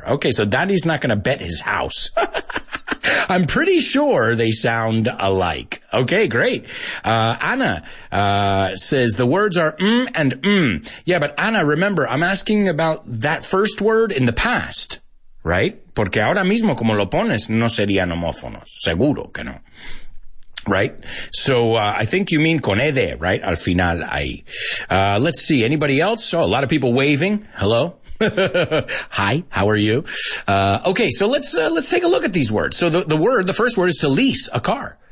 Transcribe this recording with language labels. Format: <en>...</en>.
<en>Okay, so Danny's not going to bet his house. I'm pretty sure they sound alike. Okay, great. Anna says the words are mm and mm. Yeah, but Anna, remember, I'm asking about that first word in the past, right?</en> <es>Porque ahora mismo, como lo pones, no serían homófonos. Seguro que no.</es> <en>Right? So I think you mean</en> <es>con ede,</es> <en>right?</en> <es>Al final, ahí.</es> <en>Let's see. Anybody else? Oh, a lot of people waving. Hello? Hi, how are you? Okay, so let's take a look at these words. So the first word is to lease a car.</en>